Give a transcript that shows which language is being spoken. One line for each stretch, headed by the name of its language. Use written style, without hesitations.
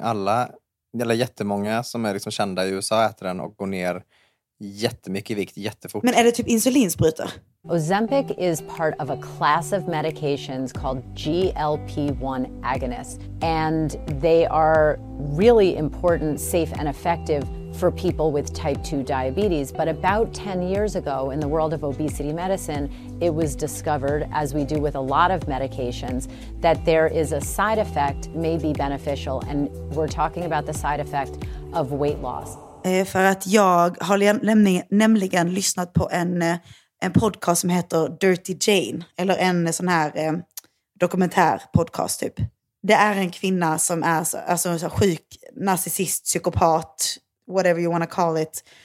Swedish: Alla, eller jättemånga som är liksom kända i USA äter den och går ner jättemycket vikt jättefort. Men är det typ insulinspruta?
English: Ozempic is part of a class of medications called GLP-1 agonists, and they are really important, safe and effective for people with type 2 diabetes. But about 10 years ago in the world of obesity medicine, it was discovered, as we do with a lot of medications, that there is a side effect may be beneficial, and we're talking about the side effect of weight loss.
Swedish: För att jag har nämligen lyssnat på en podcast som heter Dirty Jane. Eller en sån här dokumentär podcast typ. Det är en kvinna som är alltså sjuk, narcissist, psykopat,
English: whatever you wanna call it.